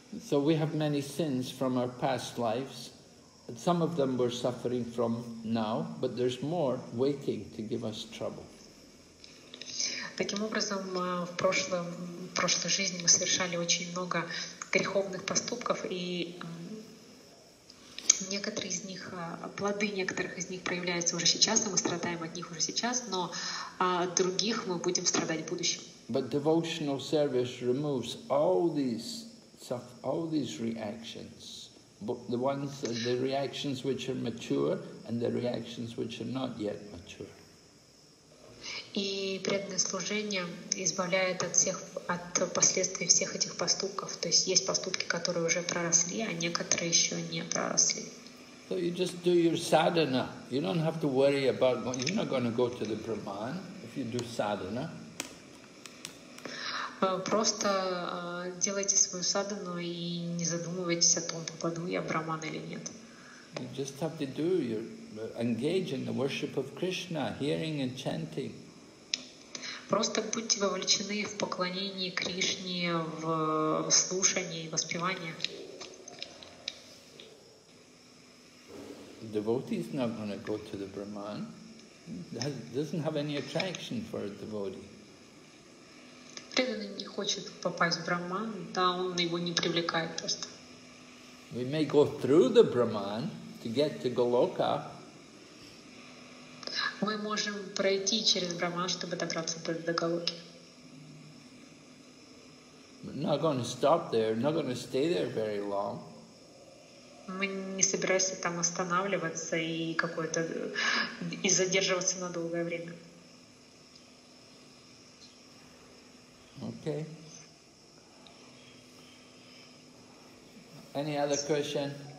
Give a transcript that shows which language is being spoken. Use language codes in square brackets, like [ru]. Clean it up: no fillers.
[en] So we have many sins from our past lives, Some of them we're suffering from now, but there's more waiting to give us trouble. [ru] Таким образом, в прошлой жизни мы совершали очень много греховных поступков, и некоторые из них, плоды некоторых из них проявляются уже сейчас, и мы страдаем от них уже сейчас, но от других мы будем страдать в будущем. [en] But devotional service removes all these reactions, the reactions which are mature and the reactions which are not yet mature. [ru] И преданное служение избавляет от последствий всех этих поступков. То есть есть поступки, которые уже проросли, а некоторые еще не проросли. [en] So you just do your sadhana. You don't have to worry about going. You're not going to go to the Brahman if you do sadhana. [ru] Просто делайте свою садхану и не задумывайтесь о том, попаду я в Брахман или нет. [en] You just have to do your engage in the worship of Krishna, hearing and chanting. [ru] Просто будьте вовлечены в поклонение Кришне, в слушание и воспевание. [en] Devotee is not going to go to the Brahman. It doesn't have any attraction for a devotee. [ru] Преданный не хочет попасть в Брахман, да, он его не привлекает просто. [en] We may go through the Brahman to get to Goloka. [ru] Мы можем пройти через Брахман, чтобы добраться до Голоки. [en] We're not going to stop there, not going to stay there very long. [ru] Мы не собираемся там останавливаться и какое-то и задерживаться на долгое время. [en] Okay. Any other question?